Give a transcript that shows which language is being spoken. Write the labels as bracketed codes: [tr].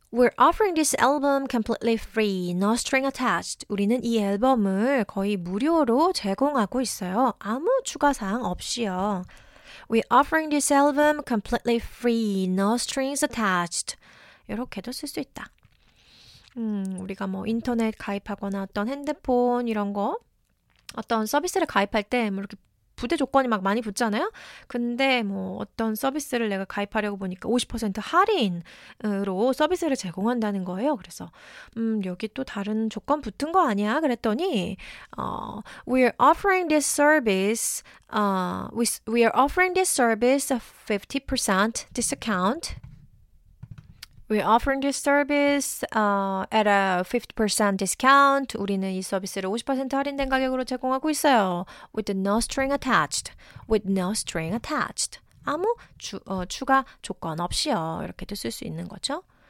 [en] We're offering this album completely free, no string attached. [ko] 우리는 이 앨범을 거의 무료로 제공하고 있어요. 아무 추가 사항 없이요. [en] We're offering this album completely free, no strings attached. [ko] 이렇게도 쓸 수 있다. 우리가 뭐 인터넷 가입하거나 어떤 핸드폰 이런 거 어떤 서비스를 가입할 때 뭐 이렇게 부대 조건이 막 많이 붙잖아요. 근데 뭐 어떤 서비스를 내가 가입하려고 보니까 50% 할인으로 서비스를 제공한다는 거예요. 그래서 여기 또 다른 조건 붙은 거 아니야? 그랬더니 [en] We're offering this service at a 50% discount. [ko] 우리는 이 서비스를 50% 할인된 가격으로 제공하고 있어요. [en] With no string attached. [ko] 아무 추가 조건 없이요. 이렇게도 쓸 수 있는 거죠.